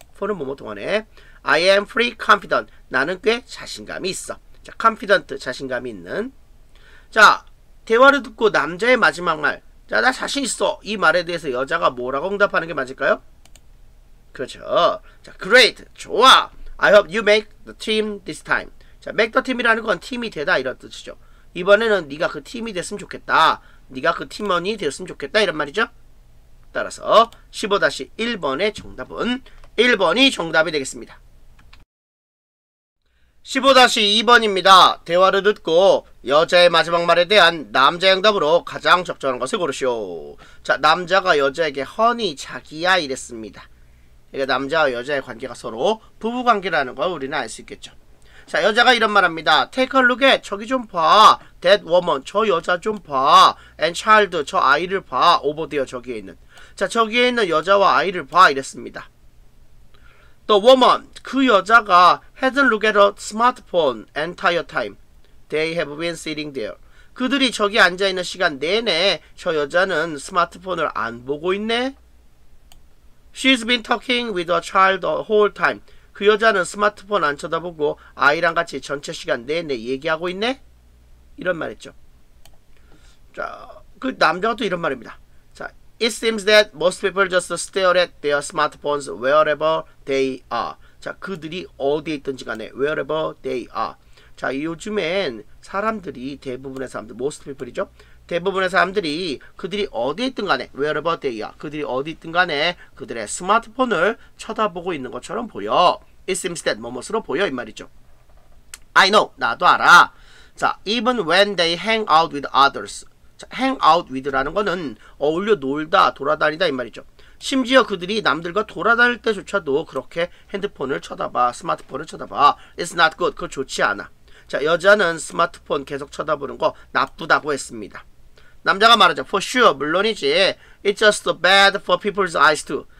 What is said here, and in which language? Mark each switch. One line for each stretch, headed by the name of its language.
Korean: for는 뭐뭐 동안에.
English: I am pretty confident.
Korean: 나는 꽤 자신감이 있어. 자, confident, 자신감이 있는. 자, 대화를 듣고 남자의 마지막 말. 자, 나 자신 있어. 이 말에 대해서 여자가 뭐라고 응답하는 게 맞을까요? 그렇죠. 자, great. 좋아.
English: I hope you make the team this time.
Korean: 자,
English: make the team
Korean: 이라는 건 팀이 되다. 이런 뜻이죠. 이번에는 네가 그 팀이 됐으면 좋겠다. 네가 그 팀원이 되었으면 좋겠다. 이런 말이죠. 따라서 15-1번의 정답은 1번이 정답이 되겠습니다. 15-2번입니다. 대화를 듣고 여자의 마지막 말에 대한 남자의 응답으로 가장 적절한 것을 고르시오. 자, 남자가 여자에게 허니 자기야 이랬습니다. 그러니까 남자와 여자의 관계가 서로 부부관계라는 걸 우리는 알 수 있겠죠. 자, 여자가 이런 말 합니다.
English: Take a look at,
Korean: 저기 좀 봐.
English: That woman,
Korean: 저 여자 좀 봐.
English: And child,
Korean: 저 아이를 봐.
English: Over there,
Korean: 저기에 있는. 자, 저기에 있는 여자와 아이를 봐. 이랬습니다.
English: The woman,
Korean: 그 여자가
English: had a look at her smartphone entire time. They have been sitting there.
Korean: 그들이 저기 앉아있는 시간 내내 저 여자는 스마트폰을 안 보고 있네.
English: She's been talking with her child the whole time.
Korean: 그 여자는 스마트폰 안 쳐다보고 아이랑 같이 전체 시간 내내 얘기하고 있네? 이런 말했죠. 자, 그 남자가 또 이런 말입니다.
English: 자, It seems that most people just stare at their smartphones wherever they are.
Korean: 자, 그들이 어디에 있든지 간에
English: wherever they are.
Korean: 자, 요즘엔 사람들이 대부분의 사람들, most people이죠? 대부분의 사람들이 그들이 어디 있든 간에
English: wherever they are
Korean: 그들이 어디 있든 간에 그들의 스마트폰을 쳐다보고 있는 것처럼 보여. It seems that 뭐뭐스로 보여 이 말이죠.
English: I know
Korean: 나도 알아.
English: 자, even when they hang out with others.
Korean: 자, hang out with라는 거는 어울려 놀다 돌아다니다 이 말이죠. 심지어 그들이 남들과 돌아다닐 때조차도 그렇게 핸드폰을 쳐다봐 스마트폰을 쳐다봐.
English: It's not good
Korean: 그거 좋지 않아. 자, 여자는 스마트폰 계속 쳐다보는 거 나쁘다고 했습니다.
English: 남자가 말하죠. For sure,
Korean: 물론이지.
English: It's just bad for people's eyes too.